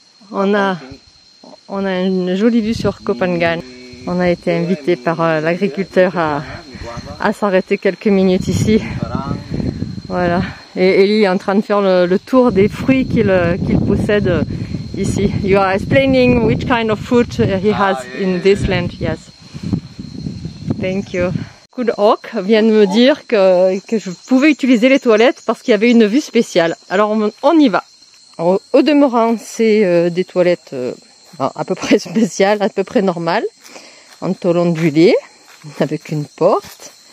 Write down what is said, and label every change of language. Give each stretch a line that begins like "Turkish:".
French: On a une jolie vue sur Koh Samui. On a été invité par l'agriculteur à s'arrêter quelques minutes ici. Voilà, et Eli est en train de faire le tour des fruits qu'il possède ici.
English: You are explaining which kind of fruit he has in this land, yes. Thank you.
French: Good Hawk vient de me dire que je pouvais utiliser les toilettes parce qu'il y avait une vue spéciale. Alors on y va. Au demeurant, c'est des toilettes à peu près spéciales, à peu près normales, en tôle ondulée, avec une porte.